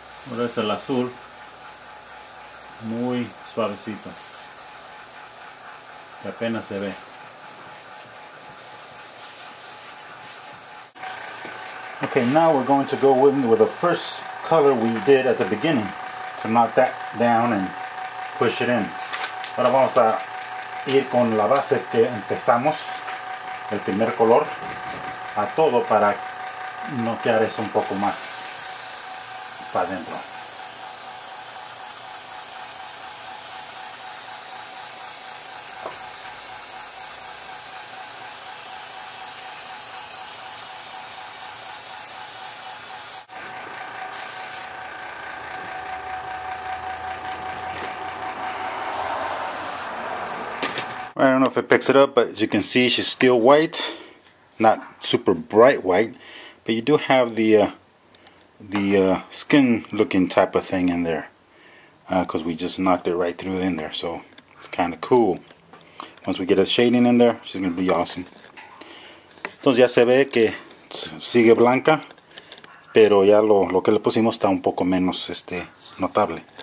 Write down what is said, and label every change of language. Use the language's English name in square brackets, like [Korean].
[Spanish] Ahora es el azul, muy suavecito, que apenas se ve. [English] Okay, now we're going to go with the first color we did at the beginning, to knock that down and push it in. [Spanish] Ahora vamos a ir con la base que empezamos, el primer color, a todo para noquear eso un poco más para adentro. [English] I don't know if it picks it up, but as you can see, she's still white, not super bright white, but you do have the skin looking type of thing in there, because we just knocked it right through in there, so it's kind of cool. Once we get a shading in there, she's going to be awesome. [Spanish] Entonces ya se ve que sigue blanca, pero ya lo que le pusimos está un poco menos notable.